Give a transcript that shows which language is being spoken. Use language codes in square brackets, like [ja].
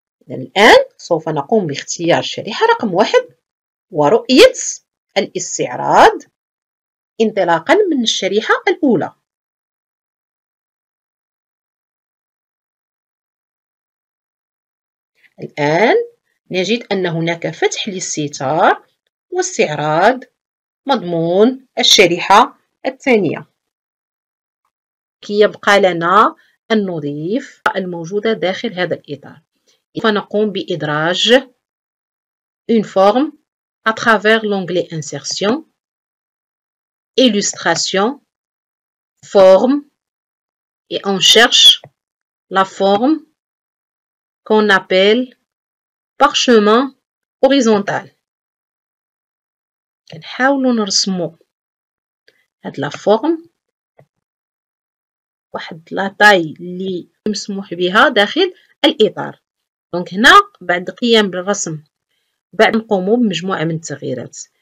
[ar] الان سوف نقوم باختيار الشريحة رقم 1 ورؤية الاستعراض انطلاقا من الشريحة الأولى. الآن نجد أن هناك فتح للستار واستعراض مضمون الشريحة الثانية. كي يبقى لنا أن نضيف الموجودة داخل هذا الإطار، فنقوم بإدراج [fr] une forme à travers l'onglet insertion, illustration, forme, et on cherche la forme qu'on appelle parchemin horizontal. [ar] نحاولوا نرسموا هاد لا فورم واحد لا تاي اللي مسموح بها داخل الاطار. دونك هنا بعد قيام بالرسم بعد نقوم بمجموعة من التغييرات.